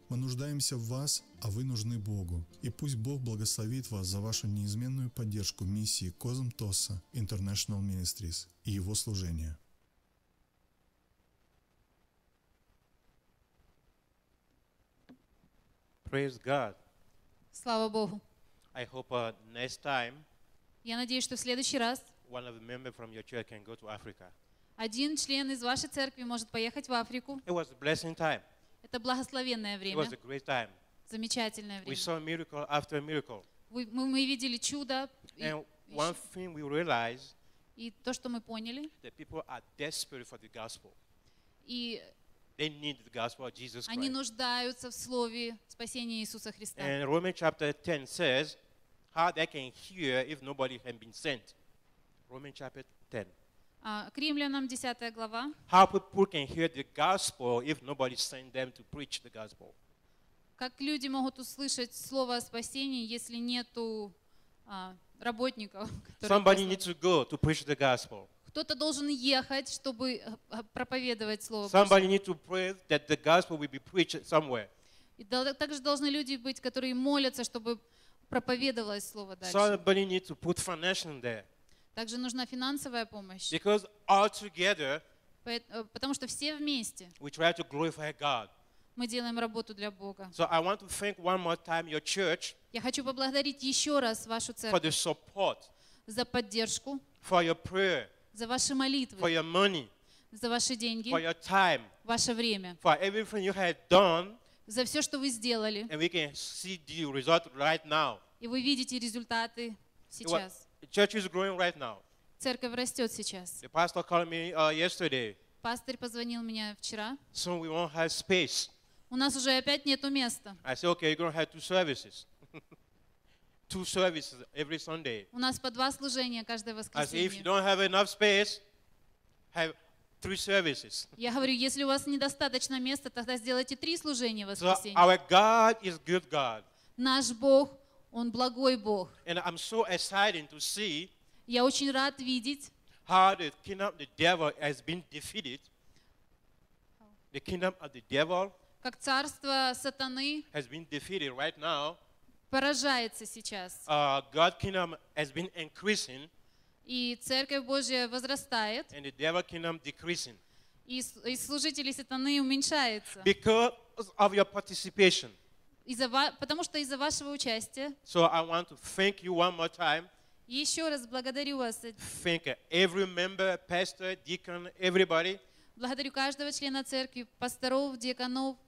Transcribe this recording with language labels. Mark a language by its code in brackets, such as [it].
[ru] Мы нуждаемся в вас, а вы нужны Богу. И пусть Бог благословит вас за вашу неизменную поддержку миссии Козумтоса International Ministries и его служения. [en] Praise God. [ru] Слава Богу. [en] I hope next time. [ru] Я надеюсь, что в следующий раз. [en] One of the members from your church can go to Africa. [ru] Один член из вашей церкви может поехать в Африку. [en] It was a blessing time. [ru] Это благословенное время. [en] It was a great time. [ru] Замечательное время. [en] We saw miracle after miracle. [ru] Мы видели чудо. [en] And one thing we realized. [ru] И то, что мы поняли. [en] That people are desperate for the gospel. [ru] И [en] they need the gospel of Jesus Christ. [ru] Они нуждаются в слове спасения Иисуса Христа. [en] And Romans chapter 10 says how they can hear if nobody has been sent. Romans chapter 10. [ru] К Римлянам 10 глава. [en] How people can hear the gospel if nobody sent them to preach the gospel. [ru] Как люди могут услышать слово о спасении, если нету работников, которые [en] Somebody needs to go to preach the gospel. [ru] Кто-то должен ехать, чтобы проповедовать слово. [en] Somebody needs to pray that the gospel will be preached somewhere. [ru] И также должны люди быть, которые молятся, чтобы проповедовалось слово дальше. [en] Somebody needs to put financial there. [ru] Также нужна финансовая помощь. [en] Because all together, [ru] потому что все вместе, [en] we try to glorify God. [ru] Мы делаем работу для Бога. [en] So I want to thank one more time your church. [ru] Я хочу поблагодарить еще раз вашу церковь. [en] For the support. [ru] За поддержку. [en] For your prayer. [ru] За ваши молитвы. [en] For your money. [ru] За ваши деньги. [en] For your time. [ru] Ваше время. [en] For everything you have done. [ru] За все, что вы сделали. [en] And we can see the result right now. [ru] И вы видите результаты сейчас. [en] Church is growing right now. [ru] Церковь растет сейчас. [en] The pastor called me yesterday. [ru] Пастор позвонил мне вчера. [en] Soon we won't have space. [ru] У нас уже опять нету места. [en] I said, okay, you're gonna have two services. Two services every Sunday. [ru] У нас по два служения каждое воскресенье. [en] I said, if you don't have enough space, have three services. [ru] Я говорю, если у вас недостаточно места, тогда сделайте три служения воскресенье. [en] So our God is good God. [ru] Наш Бог, Он благой Бог. [en] And I'm so excited to see. [ru] Я очень рад видеть. [en] How the kingdom of the devil has been defeated. The kingdom of the devil. [ru] Как царство сатаны. [en] Has been defeated right now. [ru] Поражается сейчас. [en] God's kingdom has been increasing. [ru] И церковь Божья возрастает. [en] And the devil kingdom decreasing. [ru] И служители сатаны уменьшаются. [en] Because of your participation. [ru] Потому что из-за вашего участия. [en] So I want to thank you one more time. [ru] Еще раз благодарю вас. [en] Thank every member, pastor, deacon, everybody. [ru] Благодарю каждого члена церкви, пасторов, деканов.